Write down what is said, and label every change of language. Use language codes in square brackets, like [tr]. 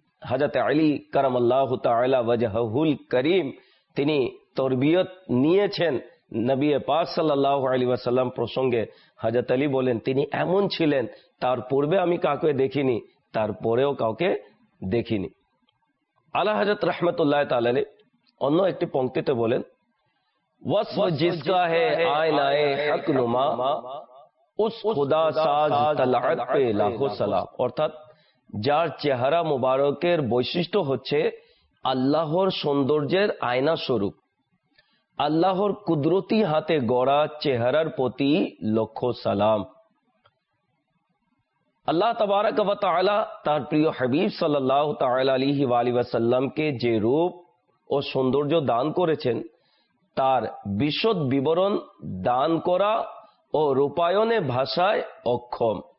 [bn] হজরত আলী করম আল্লাহ তাআলা ওয়াজহুল করিম তিনি তরবিয়ত নিয়েছেন নবী পাক সাল্লাল্লাহু আলাইহি ওয়াসাল্লাম প্রসঙ্গে। হজরত আলী বলেন তিনি এমন ছিলেন তার পূর্বে আমি কাউকে দেখিনি, তারপরেও কাউকে দেখিনি। আলা হজরত রহমতুল্লাহ তাআলা অন্য একটি পঙ্ক্তিতে বলেন [ur] وصف جس کا ہے آئینہ حق نما اس خدا ساز طلعت پہ لاکھوں سلام, [bn] অর্থাৎ যার চেহারা মুবারকের বৈশিষ্ট্য হচ্ছে আল্লাহর সৌন্দর্যের আয়না স্বরূপ, আল্লাহর কুদরতি হাতে গড়া চেহারার প্রতি লক্ষ সালাম। আল্লাহ তাবারক ওয়া তাআলা তার প্রিয় হাবিব সাল্লাল্লাহু তাআলা আলাইহি ওয়া সাল্লামকে যে রূপ ও সৌন্দর্য দান করেছেন তার বিশদ বিবরণ দান করা ও রূপায়ণে ভাষায় অক্ষম।